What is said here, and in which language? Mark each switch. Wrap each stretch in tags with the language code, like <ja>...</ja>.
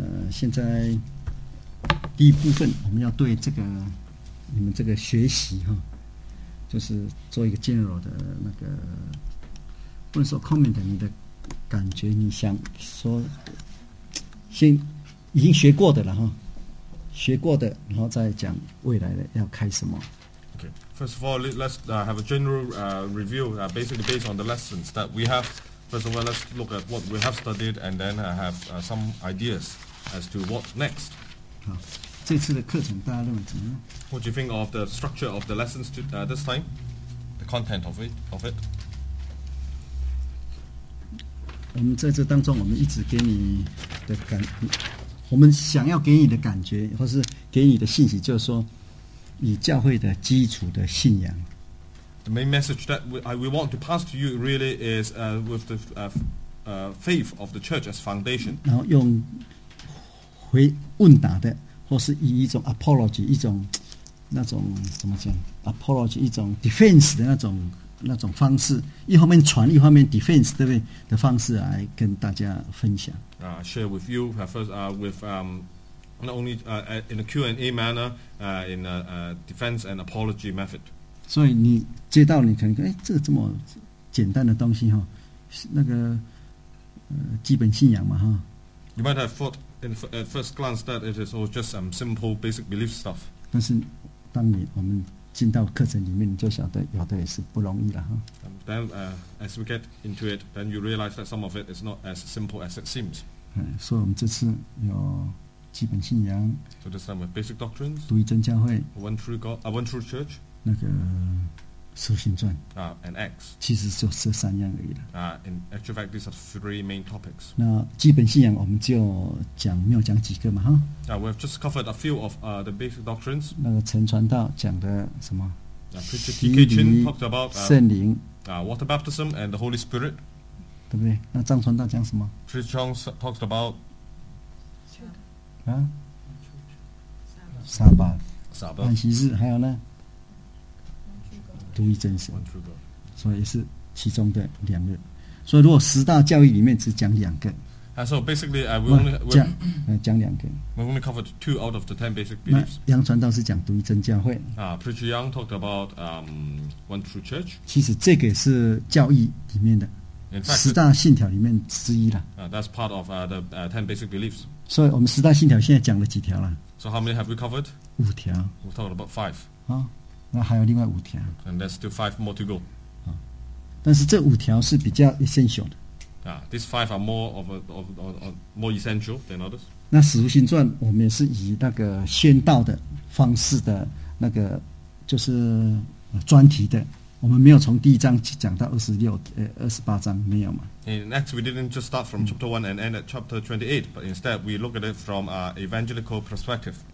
<zh>现在第一部分我们要对这个你们这个学习哈，就是做一个 general 的那个，不能说 comment， 你的感觉，你想说先已经学过的了哈，学过的然后再讲未来的要开什么。</zh> <en>Okay, first of all, let's have a general review, basically based on the lessons that we have. First of all, let's look at what we have studied and then have some ideas as to what next.</en> <zh>好，这次的课程大家认为怎么样？</zh> <en>What do you think of the structure of the lessons to, this time? The content of it, of it?</en> <zh>我们在这当中我们一直给你的感，我们想要给你的感觉或是给你的信息，就是说以教会的基础的信仰。</zh> <en>The main message that we want to pass to you really is with the faith of the church as foundation.</en> <zh>然后用回问答的，或是以一种 apology， 一种那种怎么讲 apology， 一种 defense 的那种方式，一方面传，一方面 defense， 对不对的方式来跟大家分享。</zh> <en>Share with you first with not only in a Q&A manner, in a defense and apology method.</en> <zh>所以你接到你可能这个这么简单的东西哈，那个基本信仰嘛哈。</zh> <en>You might have thought. At first glance, that it is all just some simple basic belief stuff.</en> <zh>但是当你我们进到课程里面，你就晓得有的也是不容易了哈。</zh> <en>Then, as we get into it, then you realize that some of it is not as simple as it seems.</en> <zh>所以我们这次有基本信仰。</zh> <en>So this time with basic doctrines.</en> <zh>独一真教会。</zh> <en>One true God. One true church.</en> <zh>那个使徒行传。</zh> <en>And Acts.</en> <zh>其实就这三样而已了。</zh> <en>In actual fact, these are three main topics.</en> <zh>那基本信仰我们就讲没有讲几个嘛哈。</zh> <en>We've just covered a few of the basic doctrines.</en> <zh>那个陈传道讲的什么？</zh> <en>Preacher T.K. Chin talked about</en> <zh>圣灵。</zh> <en>Water baptism and the Holy Spirit.</en> <zh>对不对？那张传道讲什么</zh> <en>？Preacher Chong talked about</en> <zh>沙巴。沙巴。安息日还有呢？独一真神，所以是其中的两个。所以如果十大教义里面只讲两个，</zh> <en>So basically, we only</en> <zh>两个。</zh> <en>We only covered two out of the ten basic beliefs.</en> <zh>杨传道是讲独一真教会。</zh> <en>Preacher Young talked about one true church.</en> <zh>其实这个是教义里面的</zh> <en>fact,</en> <zh>十大信条里面之一了。</zh> <en>That's part of the ten basic beliefs.</en> <zh>所以我们十大信条现在讲了几条了</zh> <en>？So how many have we covered?</en> <zh>五条。</zh> <en>We talked about five.</en> <zh>那还有另外五条。</zh> <en>And there's still five more to go.</en> <zh>但是这五条是比较 essential 的。</zh> <en>These five are more of more essential than others.</en> <zh>那使徒行传我们也是以那个宣道的方式的那个就是专题的，我们没有从第一章讲到二十八章没有嘛。</zh> <en>In Acts, we didn't just start from chapter 1 and end at chapter 28, but instead we look at it from an evangelical perspective.</en>